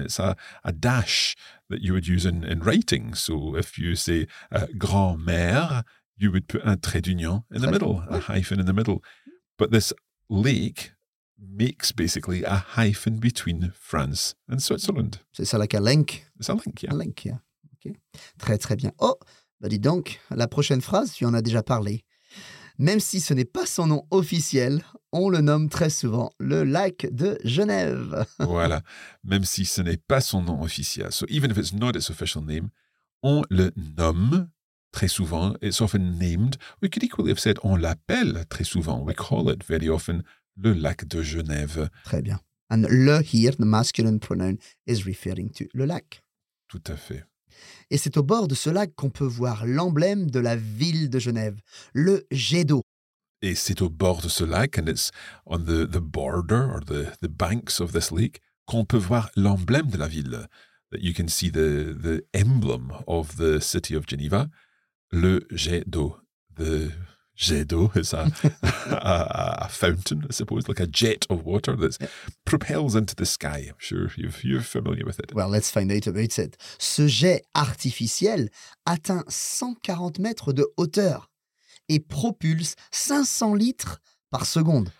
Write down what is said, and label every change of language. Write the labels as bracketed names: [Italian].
[English] It's a dash that you would use in writing. So if you say grand-mère, you would put un trait d'union in the middle, a hyphen in the middle. But this lake makes basically a hyphen between France and Switzerland. So it's like a link. It's a link, yeah. A link, yeah. Okay. [French] Très, très bien. Oh, bah dis donc, la prochaine phrase, tu en as déjà parlé. Même si ce n'est pas son nom officiel, on le nomme très souvent le lac de Genève. Voilà, même si ce n'est pas son nom officiel. [English] So even if it's not its official name, [French] on le nomme très souvent. [English] It's often named. We could equally have said [French] on l'appelle très souvent. [English] We call it very often le lac de Genève. [French] Très bien. [English] And le here, the masculine pronoun, is referring to le lac. [French] Tout à fait. Et c'est au bord de ce lac qu'on peut voir l'emblème de la ville de Genève, le jet d'eau. Et c'est au bord de ce lac, [English] and it's on the border or the banks of this lake, [French] qu'on peut voir l'emblème de la ville. [English] That you can see the emblem of the city of Geneva, le jet d'eau. The jet d'eau is a fountain, I suppose, like a jet of water that propels into the sky. I'm sure you're familiar with it. Well, let's find out about it. [French] Ce jet artificiel atteint 140 mètres de hauteur et propulse 500 litres par seconde.